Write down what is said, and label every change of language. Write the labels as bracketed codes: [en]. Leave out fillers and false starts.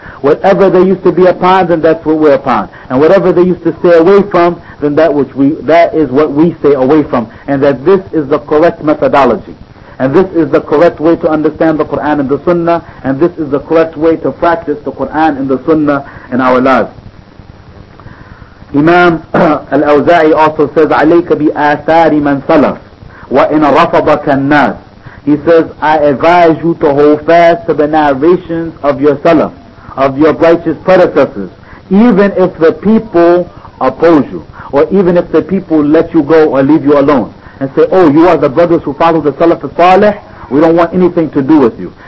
[en] Whatever they used to be upon, then that's what we're upon. And whatever they used to stay away from, then that is what we stay away from. And that this is the correct methodology, and this is the correct way to understand the Quran and the Sunnah, and this is the correct way to practice the Quran and the Sunnah in our lives. Imam al-Awza'i also says, [ar] عَلَيْكَ بِآثَارِ مَنْ سَلَفْ وَإِنْ رَفَضَكَ النَّاسِ. [en] He says, I advise you to hold fast to the narrations of your Salaf, of your righteous predecessors, even if the people oppose you, or even if the people let you go or leave you alone and say, oh, you are the brothers who follow the Salaf al-Saleh, we don't want anything to do with you.